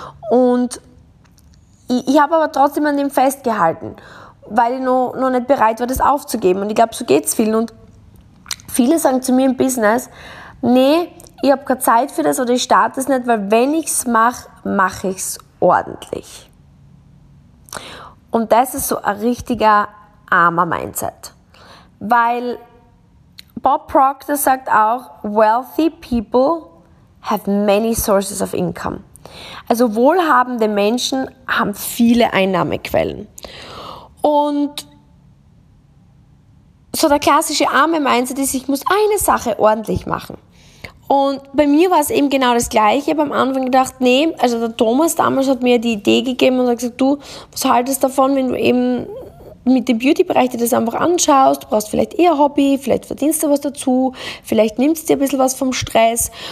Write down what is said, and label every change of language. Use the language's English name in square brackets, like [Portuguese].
[German] Und ich habe aber trotzdem an dem festgehalten, weil ich noch nicht bereit war, das aufzugeben. Und ich glaube, so geht's vielen. Und viele sagen zu mir im Business, nee, ich habe keine Zeit für das oder ich starte es nicht, weil wenn ich es mache, mache ich es ordentlich. Und das ist so ein richtiger armer Mindset. Weil Bob Proctor sagt auch, [English] wealthy people have many sources of income. [German] Also wohlhabende Menschen haben viele Einnahmequellen. Und so der klassische arme Mindset ist, ich muss eine Sache ordentlich machen. Und bei mir war es eben genau das Gleiche. Ich habe am Anfang gedacht, nee, also der Thomas damals hat mir die Idee gegeben und hat gesagt, du, was haltest du davon, wenn du eben mit dem Beauty-Bereich dir das einfach anschaust, du brauchst vielleicht eher Hobby, vielleicht verdienst du was dazu, vielleicht nimmst du dir ein bisschen was vom Stress.